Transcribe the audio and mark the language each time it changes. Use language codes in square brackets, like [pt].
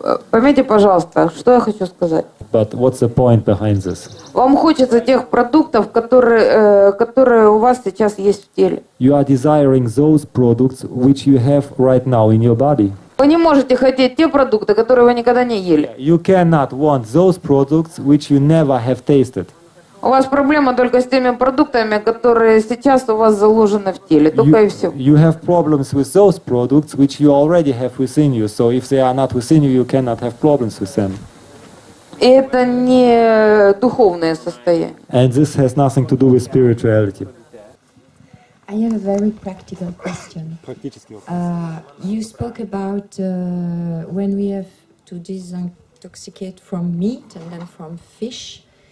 [ru] Поймите, пожалуйста, что я хочу сказать. [en] But what's the point behind this? [ru] Вам хочется тех продуктов, которые у вас сейчас есть в теле. [en] You are desiring those products which you have right now in your body. [ru] Вы не можете хотеть те продукты, которые вы никогда не ели. [en] You cannot want those products which you never have tasted. [ru] У вас проблема только с теми продуктами, которые сейчас у вас заложены в теле, только [en] you, [ru] и все. [en] You have problems with those products which you already have within you. So if they are not within you, you cannot have problems with them. [ru] И это не духовное состояние. [en] And this has nothing to do with spirituality. I have a very practical question. You spoke about when we have to disintoxicate from meat and then from fish.